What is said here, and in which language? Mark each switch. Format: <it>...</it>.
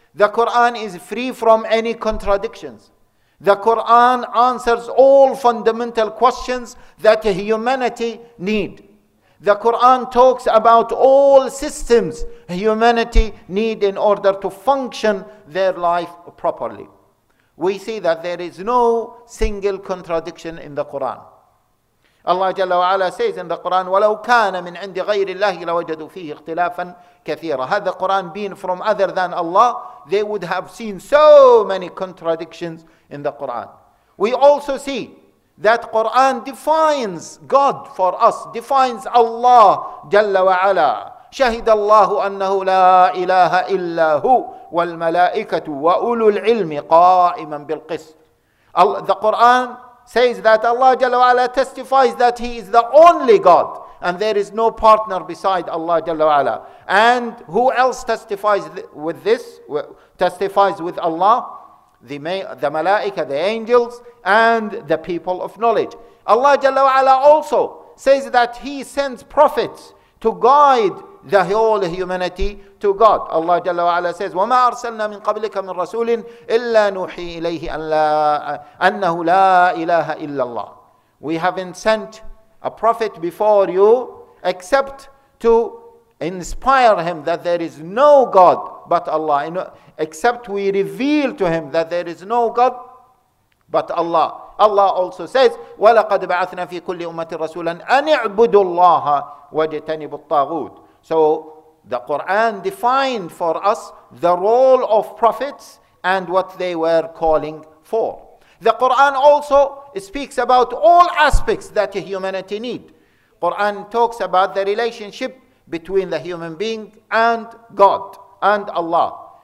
<en>The Quran is free from any contradictions. The Quran answers all fundamental questions that humanity need. The Quran talks about all systems humanity need in order to function their life properly. We see that there is no single contradiction in the Quran. Allah Jalla wa Ala says in the Quran,</en> <ar>وَلَوْ كَانَ مِنْ عِنْدِ غَيْرِ اللَّهِ لَوَجَدُوا فِيهِ اخْتِلَافًا كَثِيرًا.</ar> <en>Had the Quran been from other than Allah, they would have seen so many contradictions in the Quran. We also see that Quran defines God for us, defines Allah Jalla wa Ala.</en> <ar>شَهِدَ اللَّهُ أَنَّهُ لَا إِلَهَ إِلَّا هُوَ وَالْمَلَائِكَةُ وَأُولُو الْعِلْمِ قَائِمًا بِالْقِسْطِ.</ar> <en>The Quran says that Allah Jalla wa Ala testifies that He is the only God and there is no partner beside Allah Jalla wa Ala. And who else testifies with this? Testifies with Allah? The Malaika, the angels, and the people of knowledge. Allah Jalla wa Ala also says that He sends prophets to guide the whole humanity to God. Allah Jalla wa Ala says,</en> <ar>وَمَا أَرْسَلْنَا مِنْ قَبْلِكَ مِنْ رَسُولٍ إِلَّا نُوحِي إِلَيْهِ أَنَّهُ لَا إِلَهَ إِلَّا اللَّهِ.</ar> <en>We haven't sent a prophet before you except to inspire him that there is no God but Allah. Except we reveal to him that there is no God but Allah. Allah also says,</en> <ar>وَلَقَدْ بَعَثْنَا فِي كُلِّ أُمَّةٍ رَسُولًا أَنِ اعْبُدُوا اللَّهَ وَاجْتَنِبُوا الطَّاغُوتَ.</ar> <en>So the Quran defined for us the role of prophets and what they were calling for. The Quran also speaks about all aspects that humanity need. Quran talks about the relationship between the human being and God and Allah.</en>